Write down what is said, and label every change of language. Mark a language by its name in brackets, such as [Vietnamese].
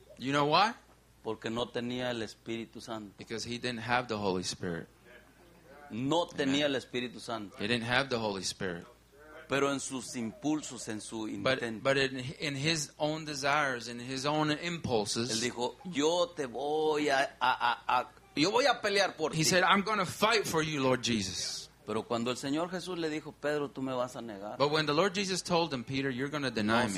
[English] You know why? [Spanish] Porque no tenía el Espíritu Santo. [English] Because he didn't have the Holy Spirit. [Spanish] No tenía Amen. El Espíritu Santo. [English] He didn't have the Holy Spirit. [Spanish] Pero en sus impulsos, en su intento. [English] But in his own desires, in his own impulses. [Spanish] Él dijo, yo te voy a yo voy a pelear por ti. [English] He said, I'm going to fight for you, Lord Jesus. [Spanish] Pero cuando el Señor Jesús le dijo, Pedro, tú me vas a negar. [English] But when the Lord Jesus told him, Peter, you're going to deny me.